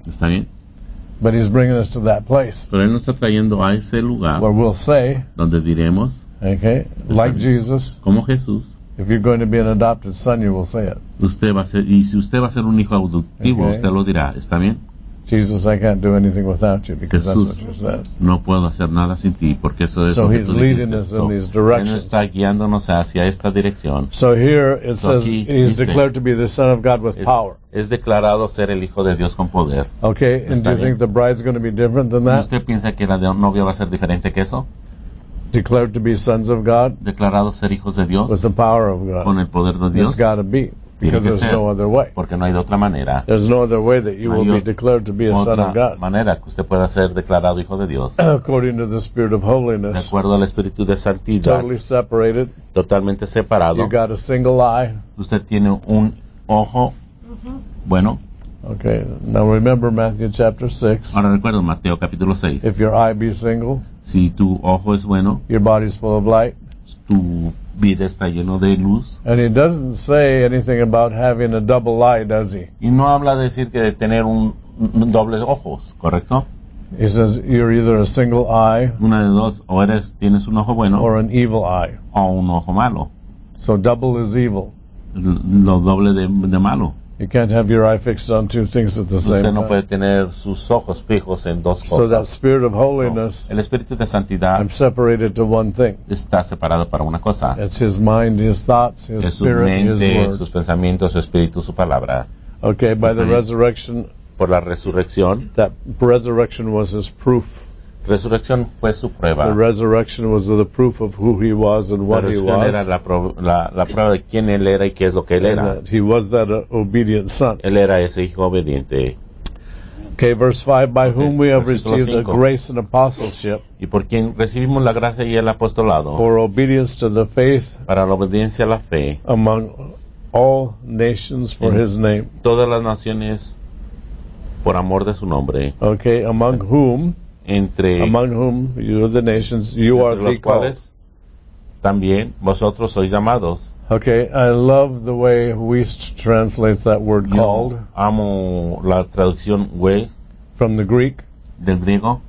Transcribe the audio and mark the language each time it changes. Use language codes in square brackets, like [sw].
[es] ¿Está bien? [en] But he's bringing us to that place. [es] Pero él nos está trayendo a ese lugar. [en] Where we'll say. [es] Donde diremos. [en] Okay. Like Jesus. [es] Como Jesús. [en] If you're going to be an adopted son, you will say it. [es] Usted va a ser, y si usted va a ser un hijo adoptivo, okay. Usted lo dirá. ¿Está bien? [en] Jesus, I can't do anything without you, because [es] Jesús, [en] that's what you said. [es] No puedo hacer nada sin ti, porque eso es [en] so he's leading us in these directions. [es] Él está guiándonos hacia esta dirección. [en] So here it says he's declared to be the Son of God with power. [es] Es declarado ser el Hijo de Dios con poder. [en] Okay, and do you think the bride's going to be different than that? [es] ¿Usted piensa que la novia va a ser diferente que eso? [en] Declared to be sons of God. [es] Declarado ser hijos de Dios. [en] With the power of God. [es] Con el poder de Dios. [en] It's got to be. Because there's no other way. [es] Porque no hay otra manera. [en] There's no other way that you will be declared to be a son of God. [es] Manera que usted pueda ser declarado hijo de Dios. [en] According to the spirit of holiness. [es] De acuerdo al espíritu de santidad. [en] Totally separated. [es] Totalmente separado. [en] You got a single eye. [es] Usted tiene un ojo. Bueno. [en] Okay, now remember Matthew chapter 6. [es] Ahora recuerdo Mateo capítulo 6. [en] If your eye be single. [es] Si tu ojo es bueno. [en] Your body is full of light. [es] Tu vida está lleno de luz. [en] And he doesn't say anything about having a double eye, does he? [es] Y no habla de decir que de tener un doble ojos, ¿correcto? [en] He says you're either a single eye. [es] Una de dos, o eres, tienes un ojo bueno. [en] Or an evil eye. [es] O un ojo malo. [en] So double is evil. [es] Lo doble de malo. [en] You can't have your eye fixed on two things at the same time. [es] Usted no puede tener sus ojos fijos en dos cosas. [en] So that spirit of holiness, [es] el espíritu de santidad, [en] I'm separated to one thing. [es] Está separado para una cosa. [en] It's his mind, his thoughts, his spirit, [es] mente, [en] his word. [es] Sus pensamientos, su espíritu, su palabra. [en] Okay, by the resurrection. [es] Por la resurrección. [en] That resurrection was his proof. [es] Resurrección fue su prueba. [en] The resurrection was the proof of who he was and what he was. [es] Era la prueba de quién él era y qué es lo que él era. [en] He was that obedient son. [es] Él era ese hijo obediente. [en] Okay, verse 5, by whom we have received the grace and apostleship. [es] Y por quien recibimos la gracia y el apostolado. [en] For obedience to the faith. [es] Para la obediencia a la fe. [en] Among all nations for his name. [es] Todas las naciones por amor de su nombre. [en] Okay, among whom. [es] Entre [en] among whom you are the nations, you are the called. [es] También vosotros sois llamados. [en] Okay, I love the way Wiest translates that word [es] yo [en] called. [es] Amo la traducción Wiest. [en] From the Greek. [es] Del griego.